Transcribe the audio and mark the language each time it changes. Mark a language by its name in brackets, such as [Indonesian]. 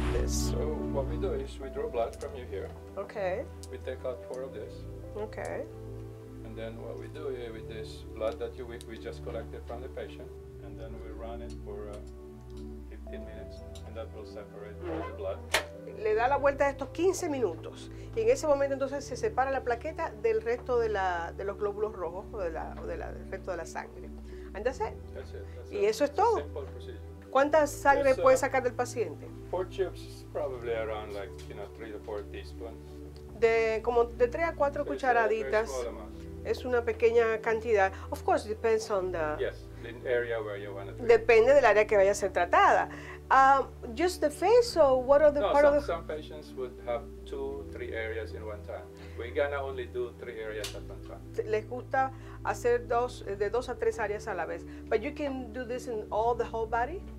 [English] So what we do is we draw blood from you here. Okay. We take out 4 of this. Okay. And then what we do here with this blood that we just collected from the patient, and then we run it for 15 minutes, and that will separate the blood [Spanish] le da la vuelta a estos 15 minutos. Y en ese momento entonces se separa la plaqueta del resto de la de los glóbulos rojos del resto de la sangre. [English] And that's it. That's it, that's [Spanish] y eso es todo. ¿Cuánta sangre puede sacar del paciente? [English] 4 chips probably around like, you know, 3 to 4 teaspoons. [Spanish] De 3 a 4 cucharaditas. Es una pequeña cantidad. [English] Of course, depends on the area where you want to treat. [Spanish] Depende del área que vaya a ser tratada. [English] Just the face or what are the parts? Some patients would have 2-3 areas in one time. We're gonna only do 3 areas at one time. [Spanish] Les gusta hacer de dos a tres áreas a la vez. [English] But you can do this in all the whole body?